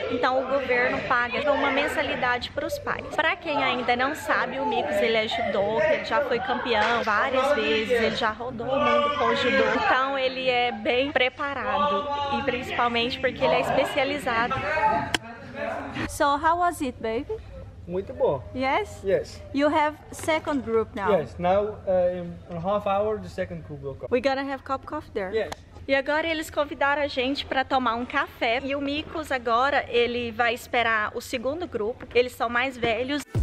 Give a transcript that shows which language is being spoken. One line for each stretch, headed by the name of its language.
Portuguese: Então o governo paga uma mensalidade para os pais. Para quem ainda não sabe, o Mikus, ele é judô. Ele já foi campeão várias vezes, ele já rodou o mundo com o judô. Então ele é bem preparado, e principalmente porque ele é especializado.
English: So how was it, baby?
Portuguese: Muito bom.
English: Yes? Yes. You have second group now. Yes, now in a half hour the second group will come. We're gonna have cup coffee there. Yes.
Portuguese: E agora eles convidaram a gente para tomar um café, e o Mikus agora ele vai esperar o segundo grupo. Eles são mais velhos.